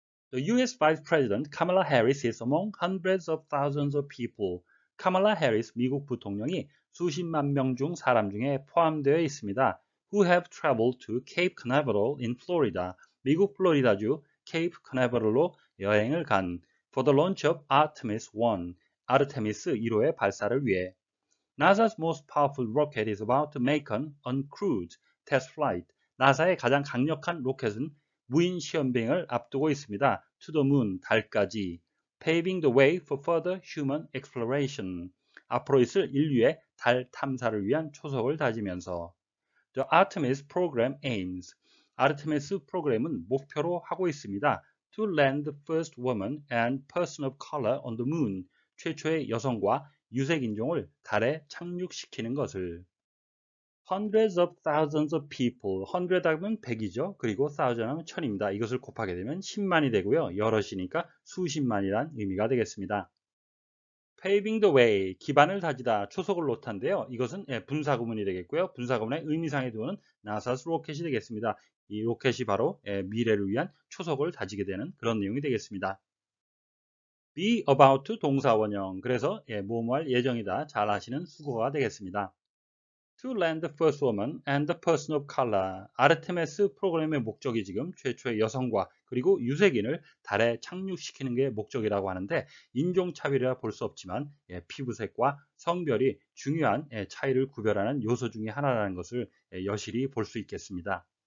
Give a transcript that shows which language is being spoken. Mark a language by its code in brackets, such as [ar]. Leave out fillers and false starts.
[en] The US Vice President Kamala Harris is among hundreds of thousands of people. [ko] 카말라 해리스 미국 부통령이 수십만 명 중 사람 중에 포함되어 있습니다. [en] Who have traveled to Cape Canaveral in Florida. [ko] 미국 플로리다주 Cape Canaveral로 여행을 간 [en] for the launch of Artemis 1. [ko] 아르테미스 1호의 발사를 위해 [en] NASA's most powerful rocket is about to make an uncrewed test flight. [ko] NASA의 가장 강력한 로켓은 무인 시험비행을 앞두고 있습니다. [en] To the moon, [ko] 달까지. [en] Paving the way for further human exploration. [ko] 앞으로 있을 인류의 달 탐사를 위한 초석을 다지면서. [en] The Artemis program aims. [ko] 아르테미스 프로그램은 목표로 하고 있습니다. [en] To land the first woman and person of color on the moon. [ko] 최초의 여성과 유색인종을 달에 착륙시키는 것을. [en] Hundreds of thousands of people. Hundred [ko] 하면 100이죠. 그리고 thousand 하면 천입니다. 이것을 곱하게 되면 10만이 되고요. 여럿이니까 수십만이란 의미가 되겠습니다. [en] Paving the way. [ko] 기반을 다지다. 초석을 놓다인데요. 이것은 예, 분사구문이 되겠고요. 분사구문의 의미상에 두는 NASA's rocket이 되겠습니다. 이 로켓이 바로 예, 미래를 위한 초석을 다지게 되는 그런 내용이 되겠습니다. [en] Be about 동사원형. [ko] 그래서 예, 뭐뭐할 예정이다. 잘 아시는 수거가 되겠습니다. [en] To land the first woman and the person of color. [ko] 아르테미스 프로그램의 목적이 지금 최초의 여성과 그리고 유색인을 달에 착륙시키는 게 목적이라고 하는데 인종차별이라 볼 수 없지만 예, 피부색과 성별이 중요한 예, 차이를 구별하는 요소 중에 하나라는 것을 예, 여실히 볼 수 있겠습니다.